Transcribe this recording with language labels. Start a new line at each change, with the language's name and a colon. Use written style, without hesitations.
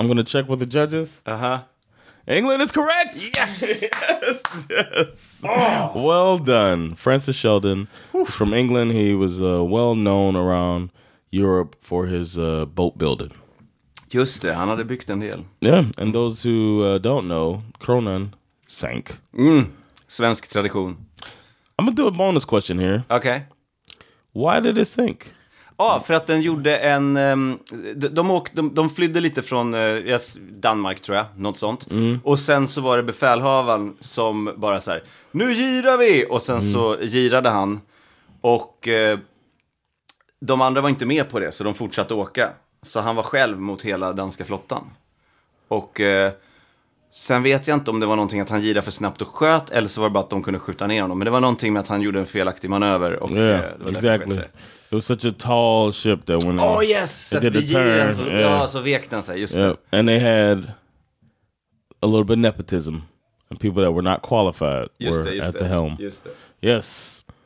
English: I'm gonna check with the judges. Uh-huh. England is correct! Yes! Yes! Oh. Well done. Francis Sheldon. Whew. From England, he was well known around Europe for his boat building.
Swedish: Just det, han hade byggt en del.
English: Yeah, and those who don't know, kronan sank.
Swedish: Mm, svensk tradition.
English: I'm gonna do a bonus question here. Okay. Why did it sink?
Swedish: För att den gjorde en... De flydde lite från Danmark, tror jag. Något sånt. Mm. Och sen så var det befälhavaren som bara så här, nu girar vi! Och sen så girade han. Och de andra var inte med på det, så de fortsatte åka. Så han var själv mot hela danska flottan. Och sen vet jag inte om det var någonting att han girade för snabbt och sköt, eller så var det bara att de kunde skjuta ner honom. Men det var någonting med att han gjorde en felaktig manöver. Och Det var
English: such a tall ship that when
Swedish: så vek den sig, just det.
English: And they had a little bit of nepotism. And people that were not qualified at the helm.
Swedish: Just det.
English: Yes.